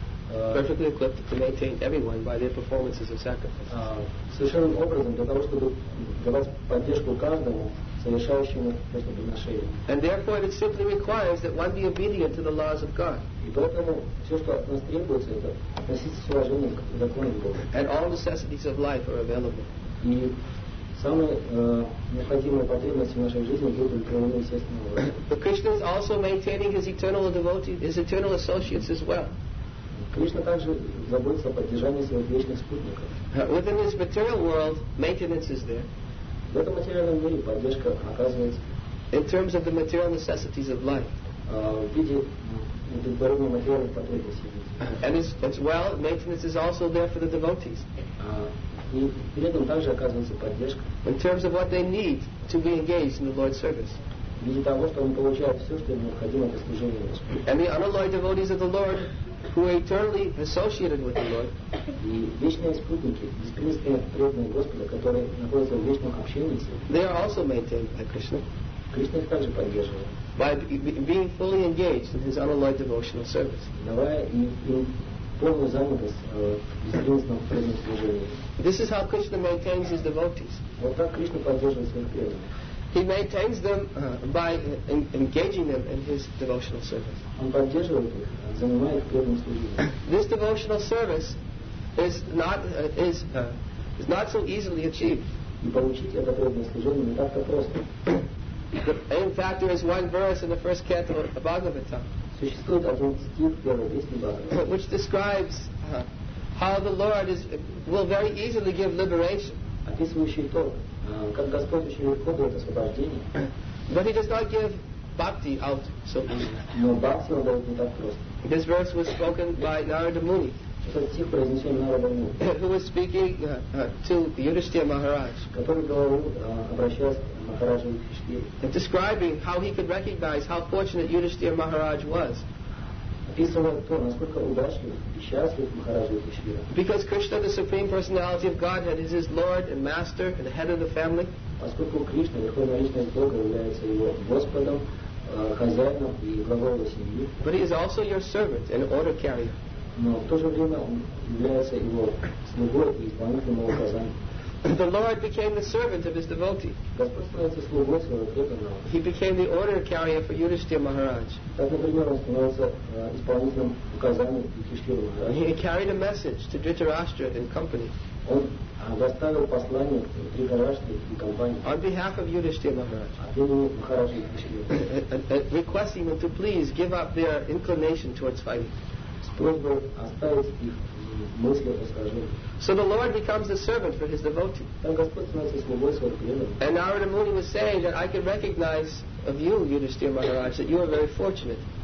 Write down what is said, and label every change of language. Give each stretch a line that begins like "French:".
English: Perfectly equipped to maintain everyone by their performances of sacrifices.
Russian: Совершенным образом для того, чтобы давать поддержку каждому совершающему жертвоприношение.
English: And therefore, it simply requires that one be obedient to the laws of God.
Russian: И поэтому все, что от нас требуется, это относиться с уважением к законам Бога.
English: And all necessities of life are available.
Russian: И самые необходимые потребности в нашей жизни будут удовлетворены естественным образом.
English: But Krishna is also maintaining his eternal devotees, his eternal associates as well.
Russian: Кришна также заботится о поддержании своих вечных спутников.
English: Within this material world, maintenance is there.
Russian: В этом материальном мире поддержка оказывается.
English: In terms of the material necessities of life.
Russian: В виде удовлетворения материальных потребностей.
English: And as well, maintenance is also there for the devotees.
Russian: И при этом также оказывается поддержка.
English: In terms of what they need to be engaged in the Lord's service.
Russian: виде того, что он получает все, что ему необходимо для служения Господу.
English: And the unalloyed devotees of the Lord, who are eternally associated with the Lord,
Russian: и вечные спутники, бесконечные преданные Господа, которые находятся в вечном общении с ним,
English: they are also maintained by Krishna.
Russian: Krishna их также поддерживает.
English: By being fully engaged in his unalloyed devotional service.
Russian: Давая им полную занятость в бесконечном преданном служении.
English: This is how Krishna maintains his devotees.
Russian: Вот так Кришна поддерживает своих преданных.
English: He maintains them by engaging them in his devotional service.
Russian: Он поддерживает их, занимает преданное служение.
English: This devotional service is not so easily achieved.
Russian: Получить это преданное служение не так-то просто.
English: In fact, there is one verse in the first canto of the Bhagavatam.
Russian: Существует один стих в первой песне Бхагавата.
English: Which describes how the Lord will very easily give liberation.
Russian: Описывающий то, как Господь очень легко дает освобождение.
English: But he does not give bhakti out so easily.
Russian: Но бхакти он дает не так просто.
English: This verse was spoken by Narada Muni.
Russian: Этот стих произнесен Нарада Муни.
English: Who was speaking to Yudhishthira Maharaj.
Russian: Который говорил, обращаясь к Махараджу Юдхиштхире.
English: Describing how he could recognize how fortunate Yudhishthira Maharaj was.
Russian: Описывает то, насколько удачлив и счастлив Махараджа Юдхиштхира.
English: Because Krishna, the Supreme Personality of Godhead, is his Lord and Master and the head of the family.
Russian: Поскольку Кришна, Верховная Личность Бога, является его Господом, хозяином и главой семьи.
English: But he is also your servant and order carrier.
Russian: Но в то же время он является его слугой и исполнителем его указаний.
English: The Lord became the servant of his devotee.
Russian: Господь становится слугой своего преданного.
English: He became the order carrier for Yudhishthira Maharaj.
Russian: Так, например, он становится исполнителем указаний Юдхиштхиры Махараджа.
English: He carried a message to Dhritarashtra and company.
Russian: Он доставил послание Дхритарашке и компании.
English: On behalf of Yudhishthira Maharaj.
Russian: От имени Махараджа Юдхиштхиры.
English: Requesting them to please give up their inclination towards fighting.
Russian: С просьбой оставить их мысли о сражении.
English: So the Lord becomes a servant for his devotee. And Narada Muni was saying that I can recognize of you, Yudhishthira Maharaj, that you are very fortunate.